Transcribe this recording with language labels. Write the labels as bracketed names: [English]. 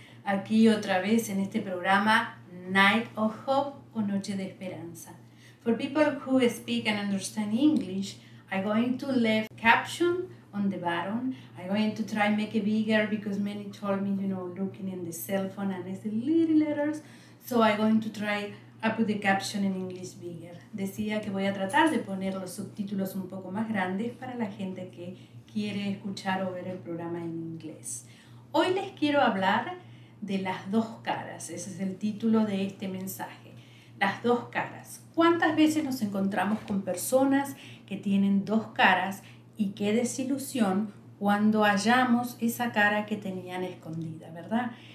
[Spanish] Aquí otra vez en este programa Night of Hope o Noche de Esperanza. [English] For people who speak and understand English, I'm going to leave caption on the bottom. I'm going to try make it bigger because many told me, you know, looking in the cell phone and it's little letters. So I'm going to try to put the caption in English bigger. [Spanish] Decía que voy a tratar de poner los subtítulos un poco más grandes para la gente que quiere escuchar o ver el programa en inglés. Hoy les quiero hablar de las dos caras. Ese es el título de este mensaje. Las dos caras. ¿Cuántas veces nos encontramos con personas que tienen dos caras y qué desilusión cuando hallamos esa cara que tenían escondida, verdad?